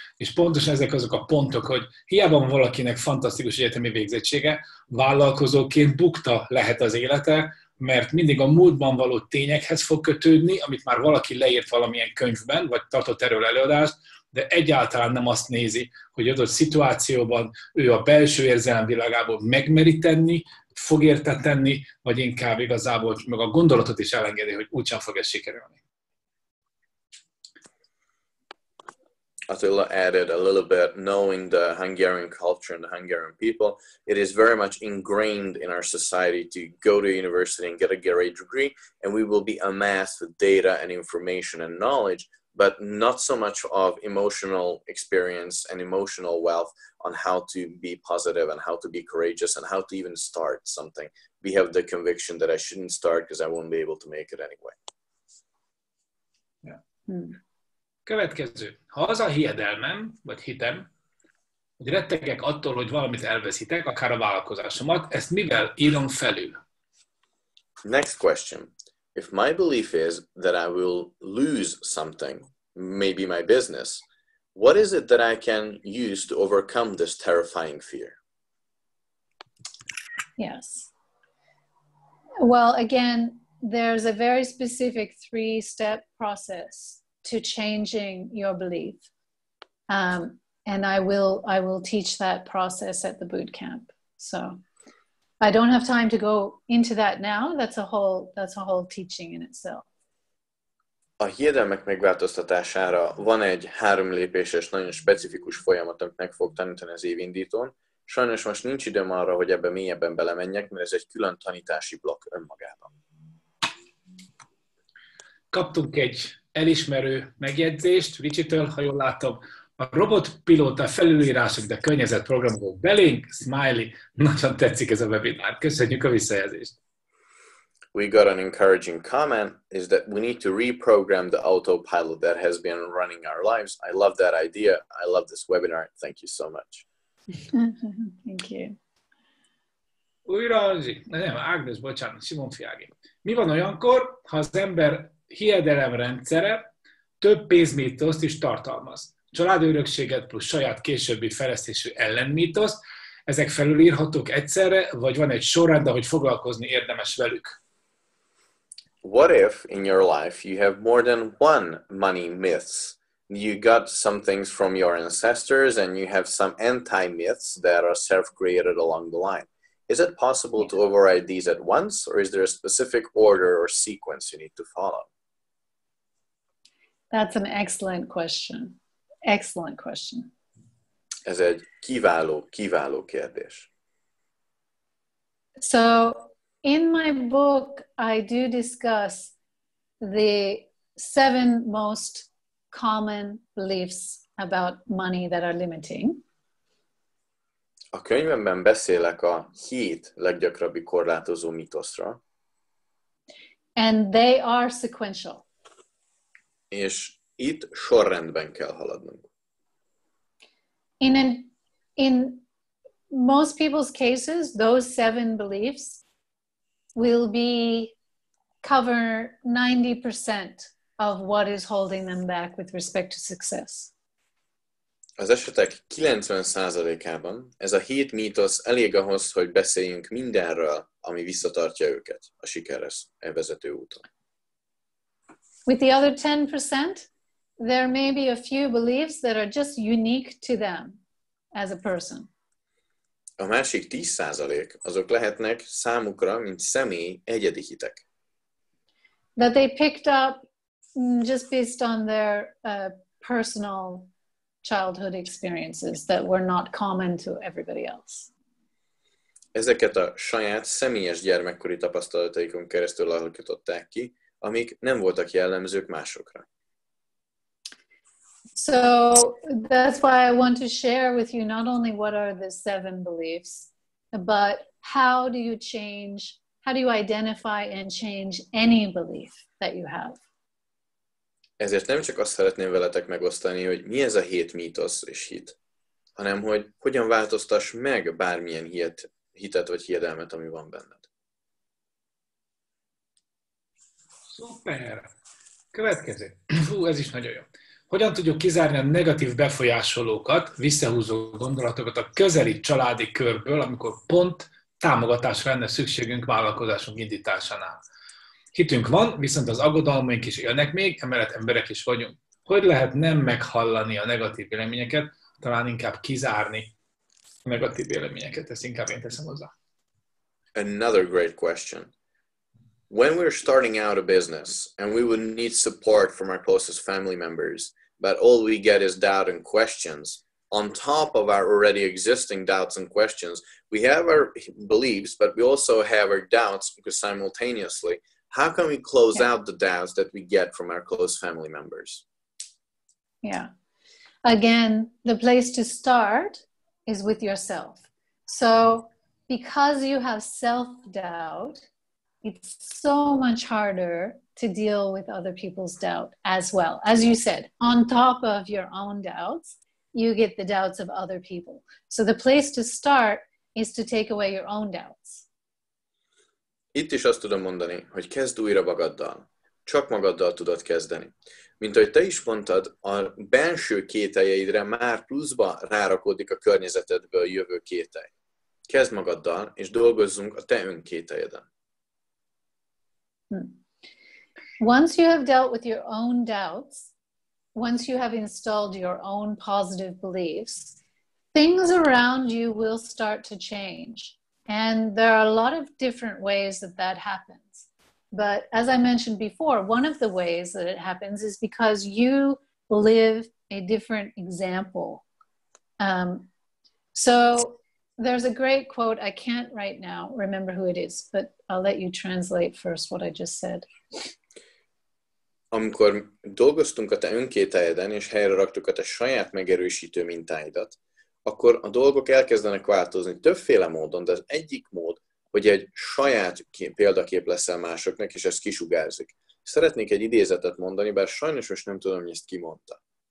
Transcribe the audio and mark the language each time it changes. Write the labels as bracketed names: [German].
[Hungarian] És pontosan ezek azok a pontok, hogy hiába van valakinek fantasztikus egyetemi végzettsége, vállalkozóként bukta lehet az élete, mert mindig a múltban való tényekhez fog kötődni, amit már valaki leírt valamilyen könyvben, vagy tartott erről előadást, de egyáltalán nem azt nézi, hogy adott szituációban ő a belső érzelemvilágából megmeri tenni, fog érte tenni, vagy inkább igazából meg a gondolatot is elengedi, hogy úgysem fog ez sikerülni. [English] Attila added a little bit, knowing the Hungarian culture and the Hungarian people, it is very much ingrained in our society to go to university and get a great degree, and we will be amassed with data and information and knowledge, but not so much of emotional experience and emotional wealth on how to be positive and how to be courageous and how to even start something. We have the conviction that I shouldn't start because I won't be able to make it anyway. Yeah. [Hungarian] Következő. Ha az a hiedelmem, vagy hitem, hogy rettegek attól, hogy valamit elveszítek, akár a vállalkozásomat, ezt mivel írom felül? [English] Next question. If my belief is that I will lose something, maybe my business, what is it that I can use to overcome this terrifying fear? Yes. Well, again, there's a very specific three-step process to changing your belief. And I will teach that process at the boot camp. So I don't have time to go into that now. That's a whole teaching in itself. [Hungarian] A hiedelmek megváltoztatására van egy három lépéses, nagyon specifikus folyamat, amit meg fogok tanítani az évindítón. Sajnos most nincs időm arra, hogy ebbe mélyebben belemenjek, mert ez egy külön tanítási blokk önmagában. Kaptunk egy elismerő megjegyzést Ricsitől, ha jól látom. A robotpilóta felülírások, de környezet programozó belénk, smiley, nagyon tetszik ez a webinár. Köszönjük a visszajelzést. [English] We got an encouraging comment, is that we need to reprogram the autopilot that has been running our lives. I love that idea. I love this webinar. Thank you so much. Thank you. [Hungarian] Újra, nem, Ágnes, bocsánat, Simon Fiági. Mi van olyankor, ha az ember hiedelemrendszere több pénzmítoszt is tartalmaz? Családörökséget plusz saját későbbi fejlesztésű ellenmítoszt, ezek felülírhatók egyszerre, vagy van egy sorrend, ahogy foglalkozni érdemes velük? [English] What if in your life you have more than one money myths? You got some things from your ancestors and you have some anti-myths that are self-created along the line. Is it possible to override these at once, or is there a specific order or sequence you need to follow? That's an excellent question. Excellent question. [Hungarian] Ez egy kiváló, kiváló kérdés. [English] So, in my book, I do discuss the seven most common beliefs about money that are limiting. [Hungarian] A könyvemben beszélek a hét leggyakrabbi korlátozó mitoszra. [English] And they are sequential. [Hungarian] És itt sorrendben kell haladnunk. [English] In most people's cases, those seven beliefs will be cover 90% of what is holding them back with respect to success. [Hungarian] Az esetek 90%-ában ez a hét mítosz elég ahhoz, hogy beszéljünk mindenről, ami visszatartja őket a sikerhez vezető úton. [English] With the other 10%, there may be a few beliefs that are just unique to them as a person. [Hungarian] A másik 10% azok lehetnek számukra, mint személy, egyedi hitek. [English] That they picked up just based on their personal childhood experiences that were not common to everybody else. [Hungarian] Ezeket a saját személyes gyermekkori tapasztalataikon keresztül alakították ki, amik nem voltak jellemzők másokra. [English] So that's why I want to share with you not only what are the seven beliefs, but how do you change, how do you identify and change any belief that you have. [Hungarian] Ezért nem csak azt szeretném veletek megosztani, hogy mi ez a hét mítosz és hit, hanem hogy hogyan változtass meg bármilyen hitet vagy hiedelmet, ami van benned. Szuper! Következő. Hú, ez is nagyon jó. Hogyan tudjuk kizárni a negatív befolyásolókat, visszahúzó gondolatokat a közeli családi körből, amikor pont támogatásra lenne szükségünk vállalkozásunk indításánál? Hitünk van, viszont az aggodalmaink is élnek még, emellett emberek is vagyunk. Hogy lehet nem meghallani a negatív véleményeket, talán inkább kizárni a negatív véleményeket? Ezt inkább én teszem hozzá. [English] Another great question. When we're starting out a business and we would need support from our closest family members, but all we get is doubt and questions, on top of our already existing doubts and questions, we have our beliefs, but we also have our doubts because simultaneously, how can we close out the doubts that we get from our close family members? Yeah. Again, the place to start is with yourself. So because you have self-doubt, it's so much harder to deal with other people's doubt as well. As you said, on top of your own doubts, you get the doubts of other people. So the place to start is to take away your own doubts. [Hungarian] Itt is azt tudom mondani, hogy kezd újra magaddal. Csak magaddal tudod kezdeni. Mint ahogy te is mondtad, a belső kételjeidre már pluszba rárakódik a környezetedből jövő kételj. Kezd magaddal, és dolgozzunk a te önkételjeden. [English] Once you have dealt with your own doubts, once you have installed your own positive beliefs, things around you will start to change. And there are a lot of different ways that that happens. But as I mentioned before, one of the ways that it happens is because you live a different example. So there's a great quote, I can't right now remember who it is, but I'll let you translate first what I just said. [Hungarian] Amikor dolgoztunk a te önkételjeden, és helyre raktuk a te saját megerősítő mintáidat, akkor a dolgok elkezdenek változni többféle módon, de az egyik mód, hogy egy saját példakép leszel másoknak, és ez kisugárzik. Szeretnék egy idézetet mondani, bár sajnos most nem tudom, hogy ezt ki mondta.